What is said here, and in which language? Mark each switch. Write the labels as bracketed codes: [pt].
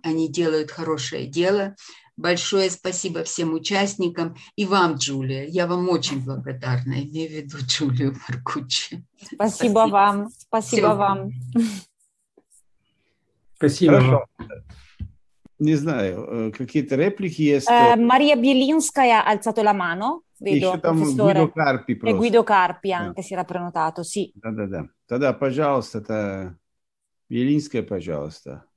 [ru] Они делают хорошее дело. Большое спасибо всем участникам. И вам, Джулия. Я вам очень благодарна. Имею в виду Джулию Маркуччи. Спасибо вам. Спасибо вам. Спасибо вам. Не знаю, какие-то реплики есть. [it] Мария Белинская ha alzato la mano. Vedo, [ru] там Гуидо Карпи просто. [it] E Guido Carpi anche si era prenotato, sì. [ru] Да-да-да. Тогда, пожалуйста, Белинская, пожалуйста.